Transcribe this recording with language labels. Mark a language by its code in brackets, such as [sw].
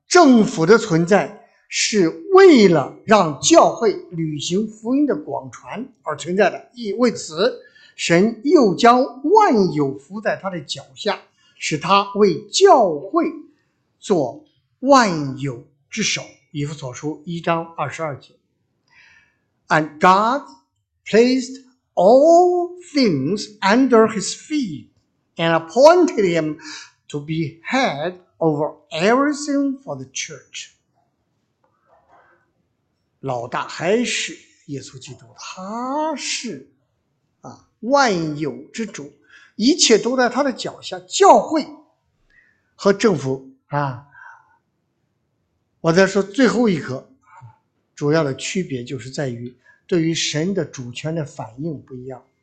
[zh] 政府的存在是为了让教会履行福音的广传而存在的，亦为此神又将万有伏在他的脚下，使他为教会做万有之首，以弗所书一章二十二节。 [en] And God placed all things under his feet and appointed him to be head over everything for the church. [zh] 老大还是耶稣基督，他是万有之主，一切都在他的脚下，教会和政府啊。我再说最后一个主要的区别，就是在于对于神的主权的反应不一样。